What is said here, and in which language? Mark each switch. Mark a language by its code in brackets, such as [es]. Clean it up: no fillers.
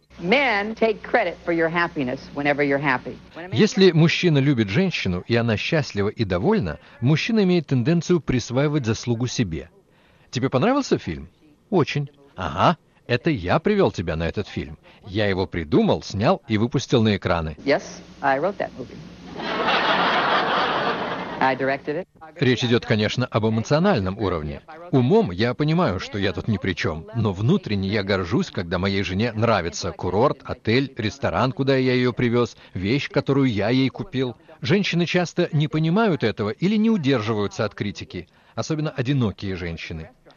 [ru] Если мужчина любит женщину, и она счастлива и довольна, мужчина имеет тенденцию присваивать заслугу себе. Тебе понравился фильм? Очень. Ага, это я привел тебя на этот фильм. Я его придумал, снял и выпустил на экраны. [en] Yes, I wrote that movie. I directed it. [ru] Речь идет, конечно, об эмоциональном уровне. Умом я понимаю, что я тут ни при чем, но внутренне я горжусь, когда моей жене нравится курорт, отель, ресторан, куда я ее привез, вещь, которую я ей купил. Женщины часто не понимают этого или не удерживаются от критики. Особенно одинокие женщины.